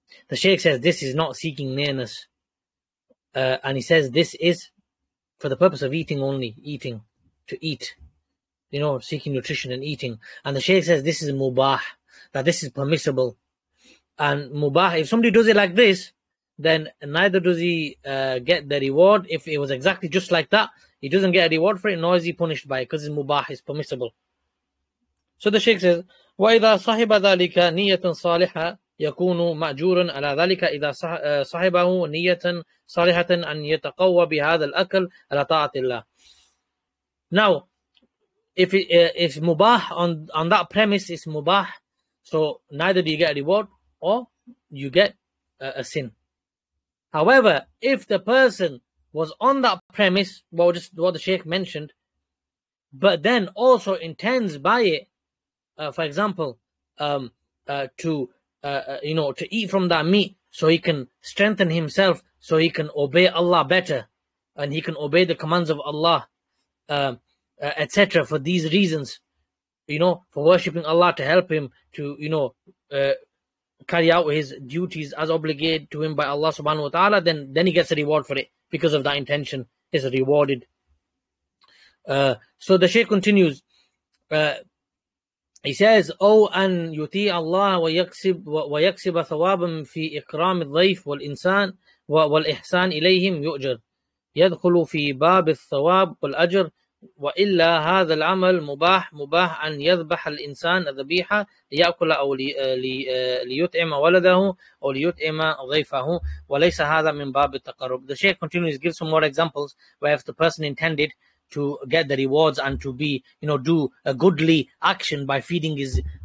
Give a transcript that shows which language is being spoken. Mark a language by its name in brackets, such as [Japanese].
[English] The Shaykh says this is not seeking nearness. And he says this is for the purpose of eating only, eating, to eat, you know, seeking nutrition and eating. And the Shaykh says this is mubah, that this is permissible. And mubah, if somebody does it like this, then neither does he get the reward. If it was exactly just like that, he doesn't get a reward for it, nor is he punished by it, because it's mubah, it's permissible. So the Shaykh says, [Arabic] وَإِذَا صَحِبَ ذَلِكَ نِيَّةً صَالِحًا يكون مأجورا على ذلك إذا صاحبه نية صالحة أن يتقوى بهذا الأكل على طاعة الله. [English] Now, if it's mubah on that premise, it's mubah. So neither do you get a reward or you get a sin. However, if the person was on that premise, well, just what the Shaykh mentioned, but then also intends by it, for example, to eat from that meat so he can strengthen himself, so he can obey Allah better and he can obey the commands of Allah, etc. For these reasons, you know, for worshipping Allah to help him to, you know, carry out his duties as obligated to him by Allah subhanahu wa ta'ala, then he gets a reward for it because of that intention is rewarded. So the Shaykh continues, he says, [Arabic] أو أن يطيع الله ويكسب ثوابا في إكرام الضيف والإنسان والإحسان إليهم يؤجر يدخل في باب الثواب والأجر وإلا هذا العمل مباح مباح أن يذبح الإنسان ذبيحة ليأكل أو ليطعم ولده أو ليطعم ضيفه وليس هذا من باب التقرب. [English] The Shaykh continues, gives some more examples where if the person intended to get the rewards and to be, you know, do a goodly action by feeding his